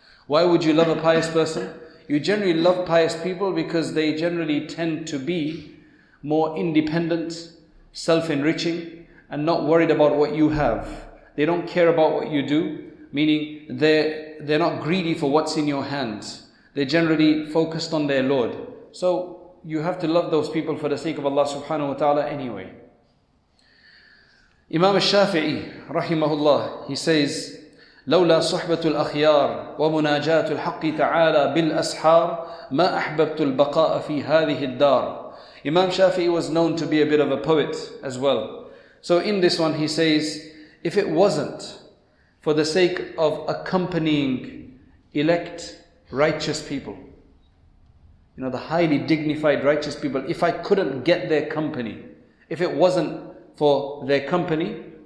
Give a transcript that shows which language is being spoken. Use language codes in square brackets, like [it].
[en] Why would you love a pious person? You generally love pious people because they generally tend to be more independent, self-enriching, and not worried about what you have. They don't care about what you do, meaning they're not greedy for what's in your hands. They're generally focused on their Lord. So you have to love those people for the sake of Allah subhanahu wa ta'ala anyway. Imam al-Shafi'i, rahimahullah, he says, [ar] لولا صحبة الأخيار ومناجاة الحق تعالى بالأسحار ما أحببت البقاء في هذه الدار. [en] Imam Shafi'i was known to be a bit of a poet as well. So in this one he says, if it wasn't for the sake of accompanying elect righteous people, you know, the highly dignified righteous people, if I couldn't get their company, if it wasn't for their company,